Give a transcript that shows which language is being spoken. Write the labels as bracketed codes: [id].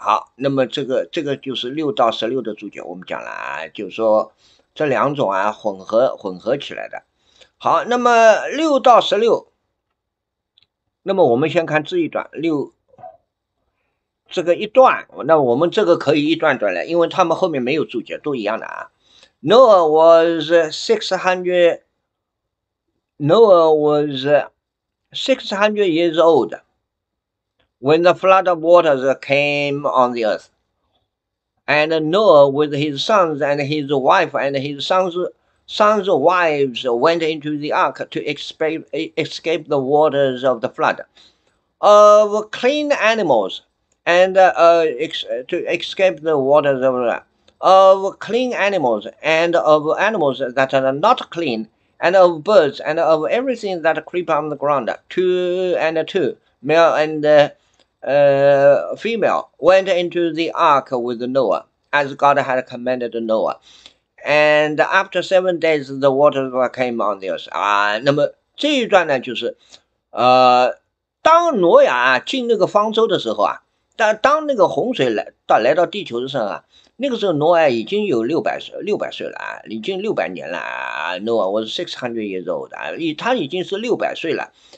[zh] 好，那么这个就是6到16的注解，我们讲了啊，就是说这两种啊混合起来的。好，那么6到16，那么我们先看这一段六这个一段，那我们这个可以一段段来，因为他们后面没有注解，都一样的啊。 [en] Noah was 600。 Noah was 600 years old when the flood of waters came on the earth. And Noah with his sons and his wife and his sons' sons' wives went into the ark to escape the waters of the flood. Of clean animals, and to escape the waters of the of clean animals, and of animals that are not clean, and of birds, and of everything that creep on the ground, two and two, male and female, went into the ark with Noah, as God had commanded Noah. And after 7 days, the waters came on the earth. [zh] 那么这一段呢，就是，当挪亚进那个方舟的时候啊，当那个洪水来到地球上啊，那个时候挪亚已经有600岁了啊，已经600年了啊。挪亚 [en] was 600 years old [zh] 啊，他已经是600岁了。